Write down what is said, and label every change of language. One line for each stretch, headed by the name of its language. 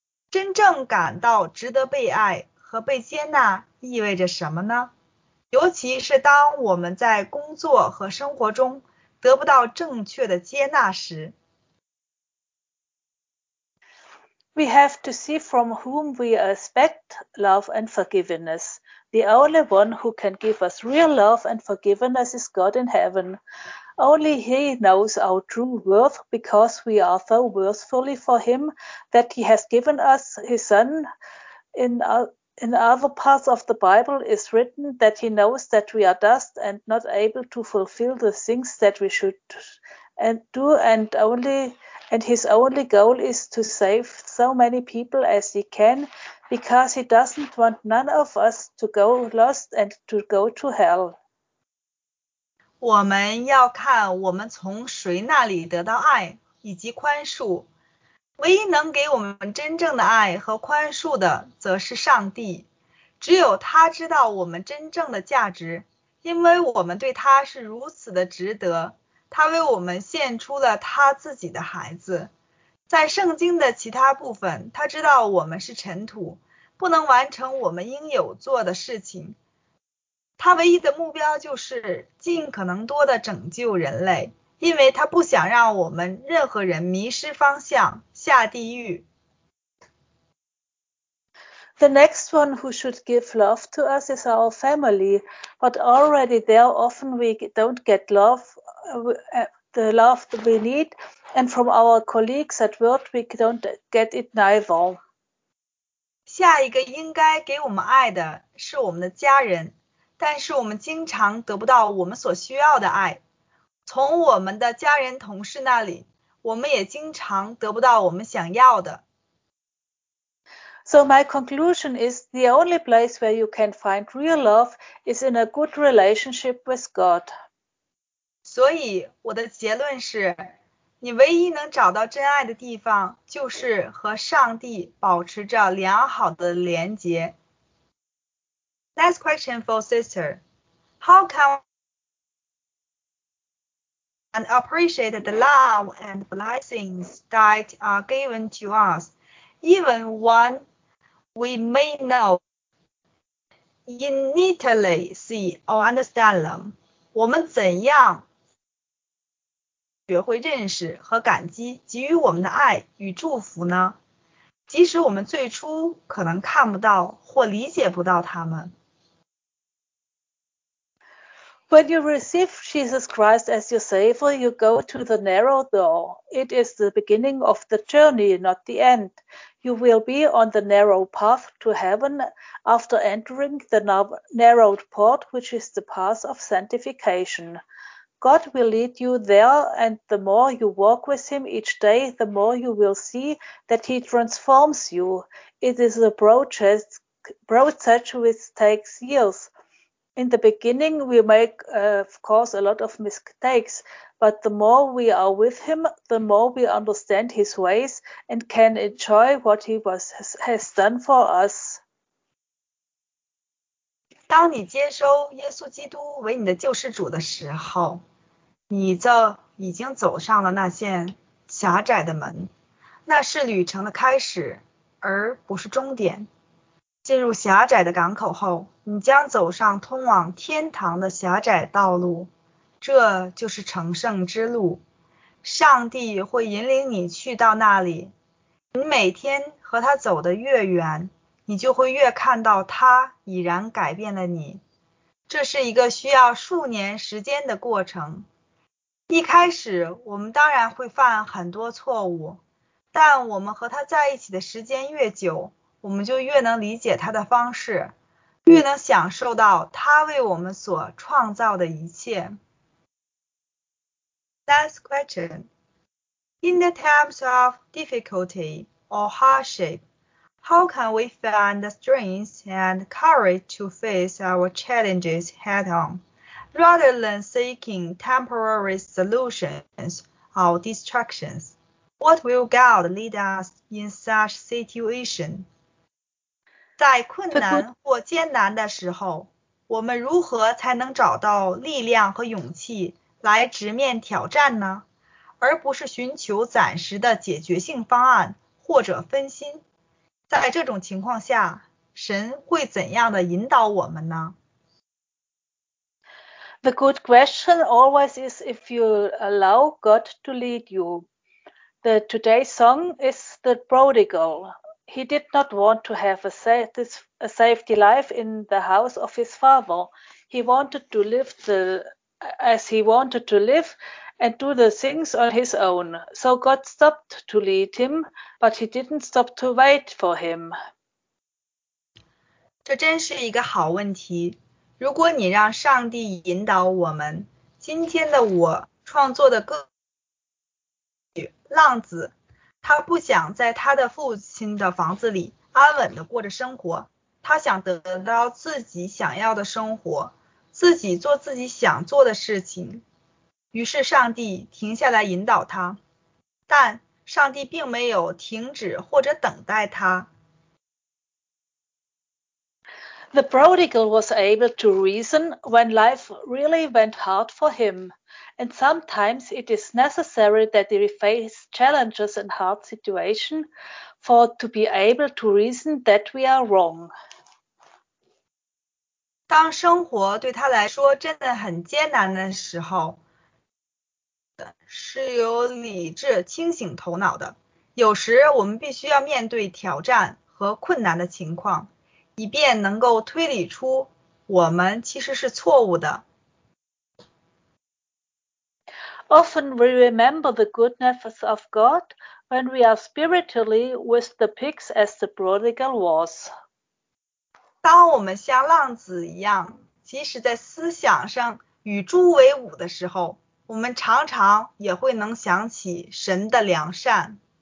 Chinese: 真正感到值得被爱和被接纳意味着什么呢？尤其是当我们在工作和生活中得不到正确的接纳时。
English: We have to see from whom we expect love and forgiveness. The only one who can give us real love and forgiveness is God in heaven. Only He knows our true worth because we are so worthfully for Him that He has given us His Son. In other parts of the Bible is written that He knows that we are dust and not able to fulfill the things that we should do and His only goal is to save so many people as He can because He doesn't want none of us to go lost and to go to hell.
Chinese: 我们要看我们从谁那里得到爱以及宽恕。唯一能给我们真正的爱和宽恕的则是上帝。只有他知道我们真正的价值，因为我们对他是如此的值得。他为我们献出了他自己的孩子。在圣经的其他部分，他知道我们是尘土，不能完成我们应有做的事情。他唯一的目标就是尽可能多的拯救人类，因为他不想让我们任何人迷失方向，下地狱。
English: The next one who should give love to us is our family, but already there often we don't get the love that we need, and from our colleagues at work we don't get it neither.
Chinese: 下一个应该给我们爱的是我们的家人，但是我们经常得不到我们所需要的爱。从我们的家人同事那里，我们也经常得不到我们想要的。
English: So my conclusion is the only place where you can find real love is in a good relationship with God.
Chinese: 所以我的结论是，你唯一能找到真爱的地方就是和上帝保持着良好的连结。
English: Next question for sister. How can we and appreciate the love and blessings that are given to us, even when we may not immediately see or understand them?
Chinese: 我们怎样学会认识和感激给予我们的爱与祝福呢？即使我们最初可能看不到或理解不到他们。
English: When you receive Jesus Christ as your Savior, you go to the narrow door. It is the beginning of the journey, not the end. You will be on the narrow path to heaven after entering the narrowed port, which is the path of sanctification. God will lead you there, and the more you walk with Him each day, the more you will see that He transforms you. It is a process which takes years. In the beginning, we make, of course, a lot of mistakes, but the more we are with Him, the more we understand His ways and can enjoy what He has done for us.
Chinese: 当你接收耶稣基督为你的救世主的时候，你就已经走上了那扇狭窄的门，那是旅程的开始，而不是终点。进入狭窄的港口后，你将走上通往天堂的狭窄道路，这就是成圣之路。上帝会引领你去到那里。你每天和他走得越远，你就会越看到他已然改变了你。这是一个需要数年时间的过程。一开始，我们当然会犯很多错误，但我们和他在一起的时间越久，我们就越能理解他的方式，越能享受到他为我们所创造的一切。
English: Next question. In the times of difficulty or hardship, How can we find the strength and courage to face our challenges head on, rather than seeking temporary solutions or distractions? What will God lead us in such situation?
Chinese: 在困难或艰难的时候，我们如何才能找到力量和勇气来直面挑战呢？而不是寻求暂时的解决性方案或者分心。在这种情况下，神会怎样的引导我们呢？
English: The good question always is if you allow God to lead you. The today's song is the prodigal. He did not want to have a safety life in the house of his father. He wanted to live and do the things on his own. So God stopped to lead him, but he didn't stop to wait for him.
Chinese: 这真是一个好问题。如果你让上帝引导我们，今天的我创作的歌曲《浪子》，他不想在他的父亲的房子里安稳地过着生活，他想得到自己想要的生活，自己做自己想做的事情。于是上帝停下来引导他，但上帝并没有停止或者等待他。
English: The prodigal was able to reason when life really went hard for him, and sometimes it is necessary that we face challenges and hard situations for to be able to reason that we are wrong.
Chinese: 当生活对他来说真的很艰难的时候，是有理智清醒头脑的。有时我们必须要面对挑战和困难的情况，以便能够推理出我们其实是错误的。
English: Often we remember the goodness of God when we are spiritually with the pigs as the prodigal was.
Chinese: 当我们像浪子一样，即使在思想上与猪为伍的时候，我们常常也会能想起神的良善。